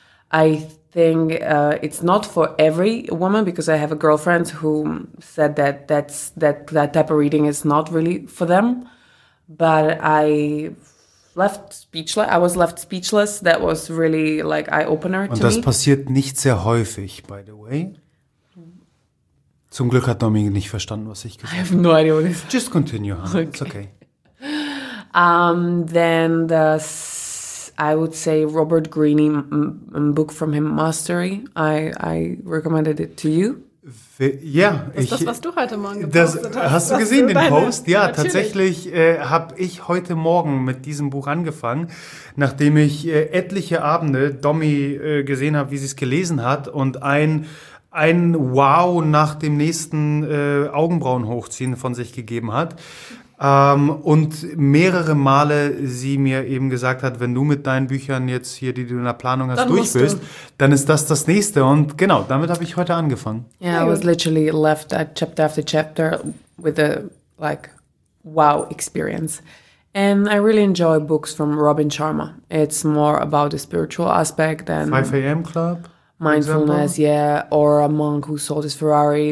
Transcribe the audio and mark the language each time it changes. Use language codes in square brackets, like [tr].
[en] I think it's not for every woman, because I have a girlfriend who said that type of reading is not really for them. But I left speechless. I was left speechless. That was really like eye-opener to me. [de] Und das passiert nicht sehr häufig, [en] by the way. [de] Zum Glück hat Domi nicht verstanden, was ich gesagt habe. [en] I have no idea what it is. Just continue, huh? Okay. It's okay. Then I would say Robert Greene, book from him, Mastery. I recommended it to you. [de] Das, was du heute Morgen gepostet hast. Hast du gesehen, den Post? Ja, natürlich. Tatsächlich habe ich heute Morgen mit diesem Buch angefangen, nachdem ich etliche Abende Domi gesehen habe, wie sie es gelesen hat und ein Wow nach dem nächsten Augenbrauen hochziehen von sich gegeben hat. Und mehrere Male sie mir eben gesagt hat, wenn du mit deinen Büchern jetzt hier, die du in der Planung hast, durch bist, dann ist das nächste. Und genau, damit habe ich heute angefangen. [en] Yeah, I was literally left at chapter after chapter with a like wow experience. And I really enjoy books from Robin Sharma. It's more about the spiritual aspect than 5 a.m. Club. Mindfulness, yeah, or a monk who sold his Ferrari.